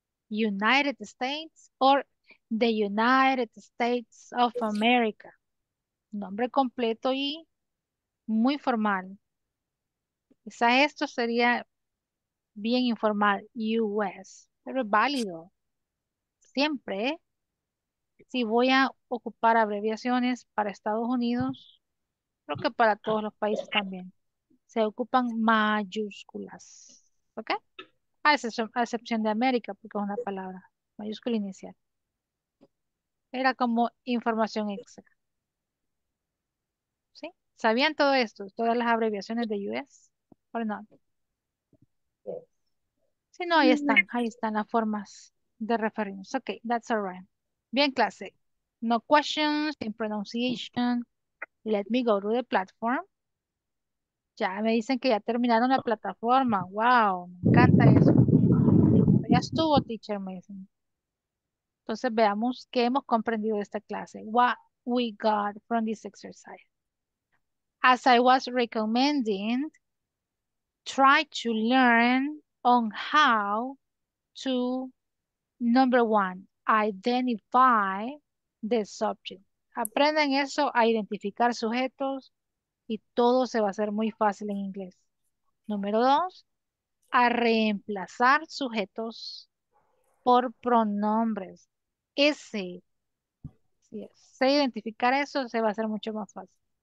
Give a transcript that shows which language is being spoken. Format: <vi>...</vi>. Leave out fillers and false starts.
<en>United States or the United States of America.</en> <es>Nombre completo y muy formal. Quizás esto sería bien informal, US, pero es válido. Siempre, si voy a ocupar abreviaciones para Estados Unidos, creo que para todos los países también, se ocupan mayúsculas, ¿ok? A excepción de América, porque es una palabra, mayúscula inicial. Era como información extra. ¿Sí? ¿Sabían todo esto? ¿Todas las abreviaciones de US? ¿O no? Sí, no, ahí están las formas de referirnos.</es> <en>Ok, that's all right.</en> <es>Bien, clase.</es> <en>No questions in pronunciation. Let me go to the platform.</en> <es>Ya me dicen que ya terminaron la plataforma. Wow, me encanta eso. Ya estuvo, teacher, me dicen. Entonces veamos qué hemos comprendido de esta clase.</es> <en>What we got from this exercise. As I was recommending, try to learn on how to, number one, identify the subject.</en> <es>Aprendan eso, a identificar sujetos, y todo se va a hacer muy fácil en inglés. Número dos, a reemplazar sujetos por pronombres. Ese, si sé identificar eso, se va a hacer mucho más fácil.</es>